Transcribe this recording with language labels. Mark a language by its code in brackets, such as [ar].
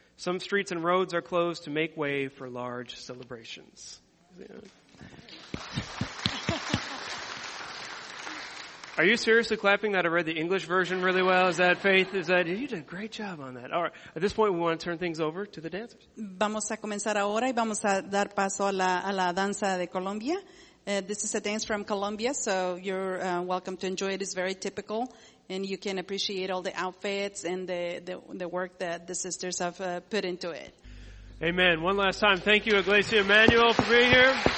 [en] Some streets and roads are closed to make way for large celebrations. Are you seriously clapping that I read the English version really well? Is that Faith? Is that you did a great job on that. All right. At this point, we want to turn things over to the dancers. [es] Vamos a comenzar ahora y vamos a dar paso a la danza de Colombia. [en] This is a dance from Colombia, so you're welcome to enjoy it. It's very typical, and you can appreciate all the outfits and the work that the sisters have put into it. Amen. One last time, thank you, Iglesia Emmanuel, for being here.